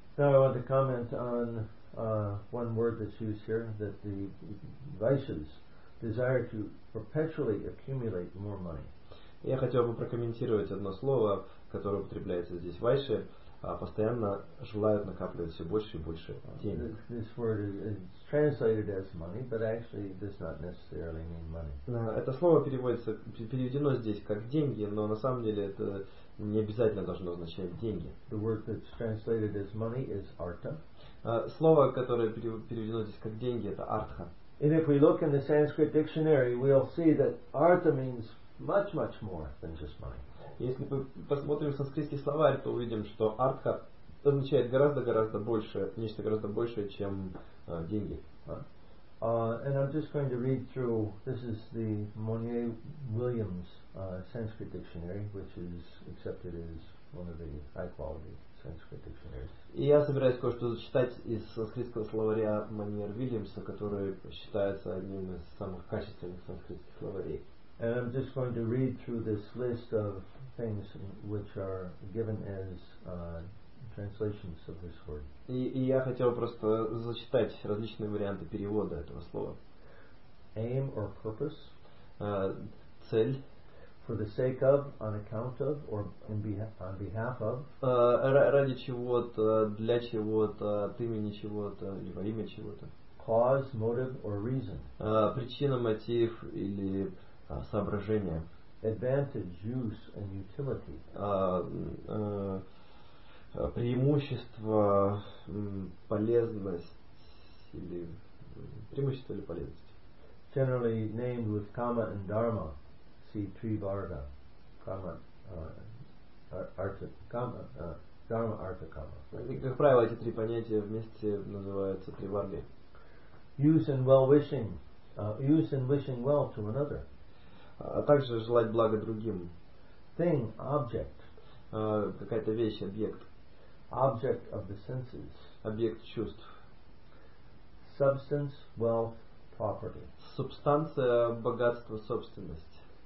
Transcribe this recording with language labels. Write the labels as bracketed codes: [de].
[en] Now I want to comment on one word that's used here, that the vices desire to perpetually accumulate more money. [ru] Я хотел бы прокомментировать одно слово, которое употребляется здесь. Вайши постоянно желают накапливать все больше и больше денег. [en] This word is translated as money, but actually does not necessarily mean money. [ru] Это слово переводится, переведено здесь как деньги, но на самом деле это не обязательно должно означать деньги. [en] The word that's translated as money is artha. [ru] Слово, которое переведено здесь как деньги, это артха. [en] And if we look in the Sanskrit dictionary, we'll see that artha means much, much more than just money. [ru] Если мы посмотрим санскритский словарь, то увидим, что артха означает гораздо-гораздо больше, нечто гораздо большее, чем деньги. [en] And I'm just going to read through, this is the Monier Williams Sanskrit dictionary, which is accepted as one of the high quality Sanskrit dictionaries. [ru] И я собираюсь кое-что зачитать из санскритского словаря Monier Williams, который считается одним из самых качественных санскритских словарей. [en] And I'm just going to read through this list of things which are given as translations of this word. [ru] И я хотел просто зачитать различные варианты перевода этого слова. [en] Aim or purpose. [ru] Цель. [en] For the sake of, on account of, or on behalf of. [ru] Ради чего-то, для чего-то, от имени чего-то, или во имя чего-то. [en] Cause, motive, or reason. [ru] Причина, мотив или соображение. [en] Advantage, use, and utility. [ru] Преимущество, полезность или преимущество или полезность. [en] Generally named with kama and dharma, see trivarga, kama, artha, kama, dharma, artha, kama. [ru] Как правило, эти три понятия вместе называются триварги. [en] Use and well-wishing, use and wishing well to another. [ru] А также желать блага другим. [en] Thing, object. [ru] Какая-то вещь, объект. [en] Object of the senses. [ru] Объект чувств. [en] Substance, wealth, property. [ru] Субстанция, богатство, собственность.